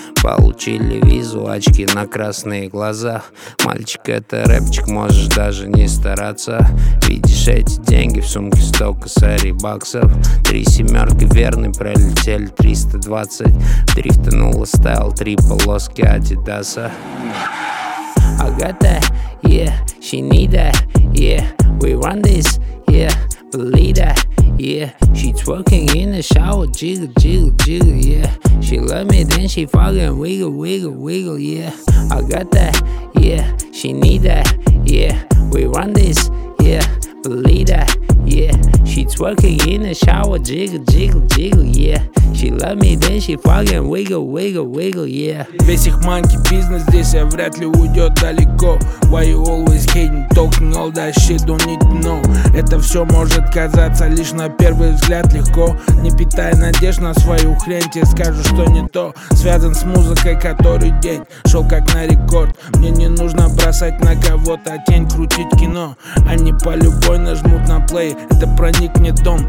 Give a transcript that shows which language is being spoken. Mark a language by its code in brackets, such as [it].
[ru] Получили визу, очки на красные глаза. Мальчик, это рэпчик, можешь даже не стараться. Видишь эти деньги в сумке, столько сари баксов. Три семерки верны, пролетели 320. Дрифтанула стайл, три полоски адидаса. [en] I got that, yeah, she need that, yeah. We run this, yeah, believe that, yeah. She twerking in the shower, jiggle, jiggle, jiggle, yeah. She love me, then she fucking wiggle, wiggle, wiggle, yeah. I got that, yeah, she need that, yeah. We run this, yeah, believe that, yeah. She twerking in the shower, jiggle, jiggle, jiggle, yeah. She love me, then she fucking wiggle, wiggle, wiggle, yeah. [ru] Весь их манки бизнес здесь, я вряд ли уйдет далеко. [en] Why you always hating, talking all that shit, don't need to know. [ru] Это все может казаться лишь на первый взгляд легко. Не питая надежд на свою хрень, тебе скажу, что не то. Связан с музыкой, который день шел как на рекорд. Мне не нужно бросать на кого-то тень, крутить кино. Они по любой нажмут на play, это проникнет дом.